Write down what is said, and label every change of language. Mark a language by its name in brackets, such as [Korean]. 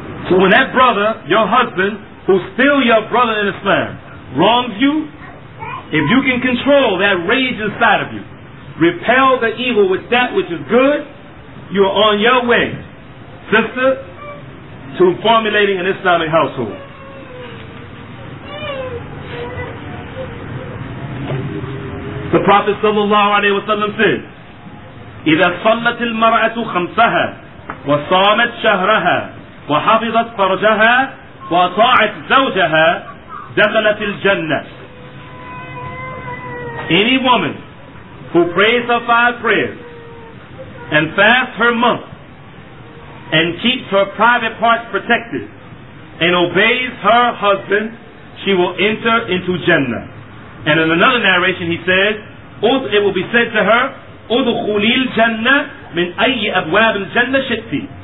[English] So when that brother, your husband, who's still your brother in Islam, wrongs you, if you can control that rage inside of you, repel the evil with that which is good, you are on your way, sister, to formulating an Islamic household. The Prophet sallallahu alaihi wasallam said, [Arabic] إِذَا صَلَّتِ الْمَرْأَةُ خَمْسَهَا وَصَامَتْ شَهْرَهَا وَحَفِظَتْ فَرْجَهَا وَطَاعَتْ زَوْجَهَا دَخَلَتِ الْجَنَّةِ. [English] Any woman who prays her five prayers and fasts her month and keeps her private parts protected and obeys her husband, she will enter into Jannah. And in another narration he says, it will be said to her, [Arabic] أُدْخُلِي الْجَنَّةِ مِنْ أَيِّ أَبْوَابِ الْجَنَّةِ شِتِّي.